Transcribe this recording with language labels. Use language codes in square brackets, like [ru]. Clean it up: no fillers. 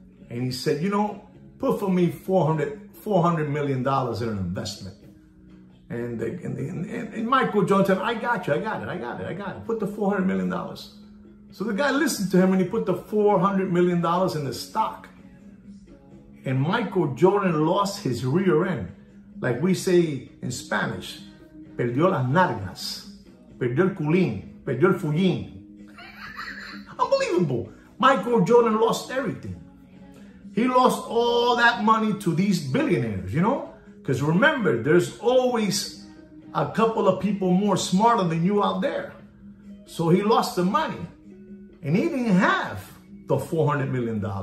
[en] And he said, you know, put for me $400 million in an investment. And Michael Jordan said, I got it. Put the $400 million. So the guy listened to him and he put the $400 million in the stock. And Michael Jordan lost his rear end. Like we say in Spanish, [es] perdió las nalgas, perdió el culín, perdió el fullín. [en] Unbelievable. Michael Jordan lost everything. He lost all that money to these billionaires, you know? Because remember, there's always a couple of people more smarter than you out there. So he lost the money. And he didn't have the $400 million.